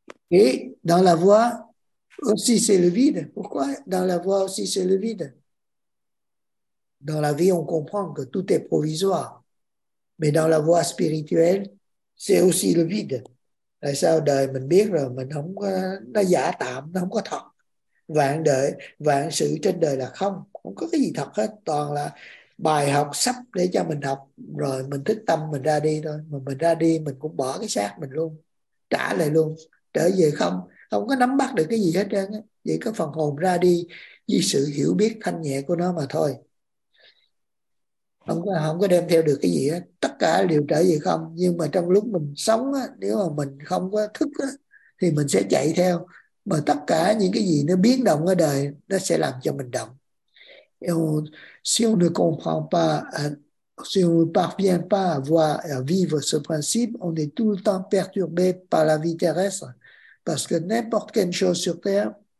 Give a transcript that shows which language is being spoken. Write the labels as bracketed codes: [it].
[fr] Et dans la voie aussi, c'est le vide. Pourquoi dans la voie aussi, c'est le vide? Dans la vie, on comprend que tout est provisoire. Mais dans la voie spirituelle, c'est aussi le vide. [vi] Tại sao đời mình biết rồi, mình không có, nó giả tạm, nó không có thật. Vạn đời, vạn sự trên đời là không, không có cái gì thật hết. Toàn là bài học sắp để cho mình học, rồi mình thức tâm, mình ra đi thôi. Mà mình ra đi, mình cũng bỏ cái xác mình luôn, trả lại luôn, trở về không. Không có nắm bắt được cái gì hết trơn. Vậy có phần hồn ra đi, với sự hiểu biết thanh nhẹ của nó mà thôi. Không có đem theo được cái gì hết. Tất cả đều trở về không. Nhưng mà trong lúc mình sống á, nếu mà mình không có thức á, thì mình sẽ chạy theo. Mà tất cả những cái gì nó biến động ở đời, nó sẽ làm cho mình động. [fr] Si on ne comprend pas, si on ne parvient pas à voir, à vivre ce principe, on est tout le temps perturbé par la vie terrestre. Parce que n'importe quelle chose sur terre